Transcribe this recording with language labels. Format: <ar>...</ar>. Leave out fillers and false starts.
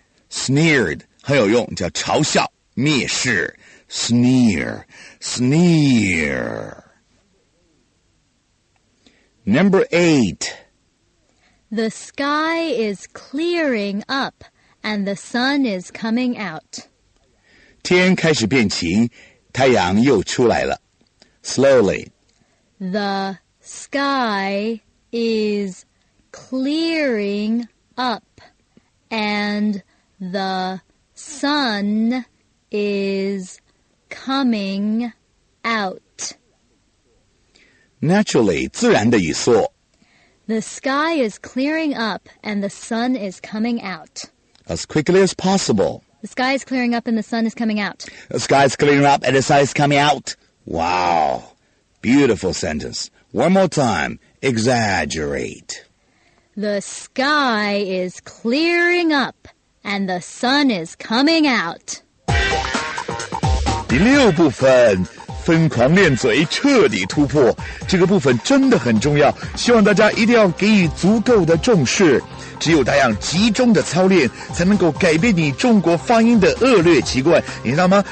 <zh>Sneered. 很有用，叫嘲笑、蔑视。</zh> <en>Sneer, sneer. Number 8. The sky is clearing up and the sun is coming out.</en> <zh>天开始变晴，太阳又出来了。</zh> <en>Slowly. The sky is clearing up and the sun is coming out.</en> <zh>Naturally, 自然的意思。</zh> <en>The sky is clearing up and the sun is coming out. As quickly as possible. The sky is clearing up and the sun is coming out. The sky is clearing up and the sun is coming out. Wow. Beautiful sentence. One more time. Exaggerate. The sky is clearing up and the sun is coming out.</en> <zh>第六部分，疯狂练嘴，彻底突破。这个部分真的很重要，希望大家一定要给予足够的重视。只有这样集中的操练，才能够改变你中国发音的恶劣习惯。你知道吗？</zh>